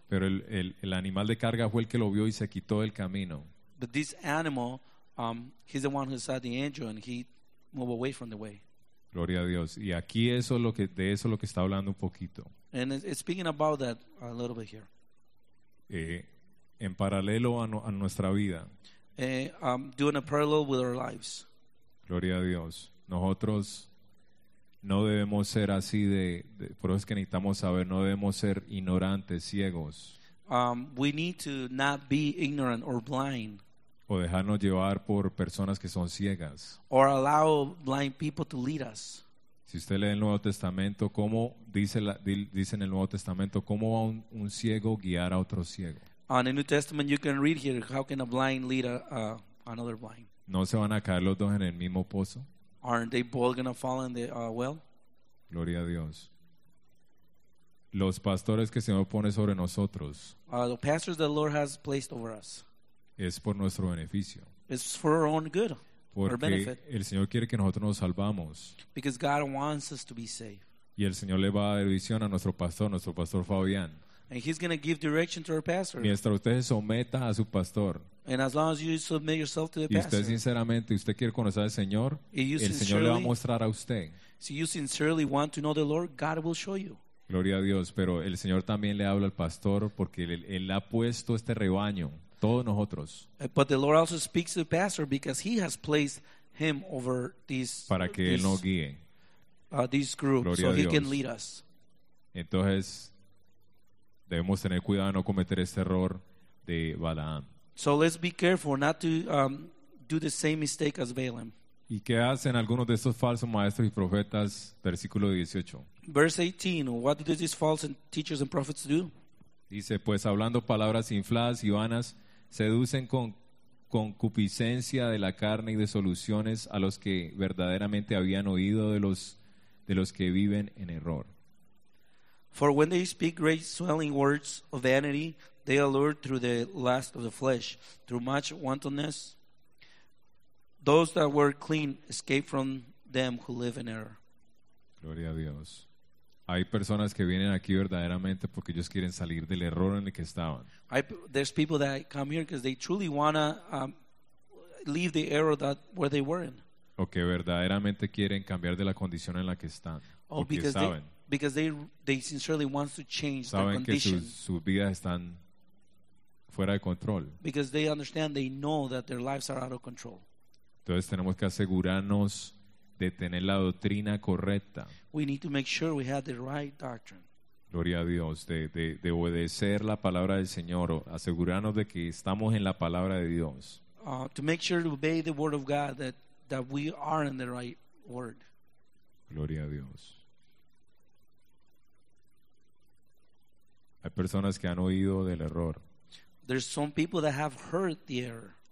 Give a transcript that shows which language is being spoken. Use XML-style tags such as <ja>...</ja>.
<es>Pero el animal de carga fue el que lo vio y se quitó del camino.</es> <en>But this animal, he's the one who saw the angel and he moved away from the way.</en> <es>Gloria a Dios. Y aquí eso es lo que está hablando un poquito.</es> <en>And it's speaking about that a little bit here.</en> <es>En paralelo a nuestra vida.</es> <en>Doing a parallel with our lives.</en> <es>Gloria a Dios. Nosotros no debemos ser así de por eso es que necesitamos saber, no debemos ser ignorantes, ciegos.</es> <en>We need to not be ignorant or blind.</en> <es>O dejarnos llevar por personas que son ciegas.</es> <en>Or allow blind people to lead us.</en> <es>Si usted lee el Nuevo Testamento, ¿cómo dice dice en el Nuevo Testamento cómo va un ciego guiar a otro ciego?</es> <en>On the New Testament you can read here how can a blind lead another blind.</en> <es>¿No se van a caer los dos en el mismo pozo?</es> <en>Aren't they both going to fall in the well?</en> <es>Gloria a Dios. Los pastores que el Señor pone sobre nosotros.</es> <en>The pastors the Lord has placed over us.</en> <es>Es por nuestro beneficio.</es> <en>It's for our own good.</en> <es>Porque el Señor quiere que nosotros nos salvamos.</es> <en>Because God wants us to be saved.</en> <es>Y el Señor le va a dar visión a nuestro pastor Fabián.</es> <en>And he's going to give direction to our pastor.</en> <es>Mientras usted se someta a su pastor.</es> <en>And as long as you submit yourself to the pastor.</en> <es>Y usted sinceramente, usted quiere conocer al Señor, el Señor le va a mostrar a usted.</es> <en>So you sincerely want to know the Lord, God will show you.</en> <es>Gloria a Dios, pero el Señor también le habla al pastor porque él ha puesto este rebaño, todos nosotros.</es> <en>But the Lord also speaks to the pastor because he has placed him over this group.</en> <es>Para que él nos guíe.</es> <en>This group,</en> <es>Gloria</es> <en>so he</en> <es>Dios.</es> <en>Can lead us.</en> <es>Entonces, debemos tener cuidado de no cometer este error de Balaam.</es> <en>So let's be careful not to do the same mistake as Balaam.</en> <es>¿Y qué hacen algunos de estos falsos maestros y profetas? Versículo 18.</es> <en>Verse 18. What do these false teachers and prophets do?</en> <es>Dice, pues hablando palabras infladas y vanas, seducen con concupiscencia de la carne y desoluciones a los que verdaderamente habían oído de los que viven en error.</es> <en>For when they speak great swelling words of vanity, they allure through the lust of the flesh, through much wantonness. Those that were clean escape from them who live in error.</en> <es>Gloria a Dios. Hay personas que vienen aquí verdaderamente porque ellos quieren salir del error en el que estaban.</es> <en>There's people that come here because they truly want to leave the error that where they were in.</en> <es>O que verdaderamente quieren cambiar de la condición en la que están. O que saben.</es> <en>Because they sincerely want to change</en> <es>saben</es> <en>their condition.</en> <es>Saben que sus vidas están fuera de control.</es> <en>Because they understand, they know that their lives are out of control.</en> <es>Entonces tenemos que asegurarnos de tener la doctrina correcta.</es> <en>We need to make sure we have the right doctrine.</en> <es>Gloria a Dios, de obedecer la palabra del Señor, asegurarnos de que estamos en la palabra de Dios.</es> <en>To make sure to obey the word of God that we are in the right word.</en> <es>Gloria a Dios. Hay personas que han oído del error.</es> <en>There's some people that have heard the error.</en>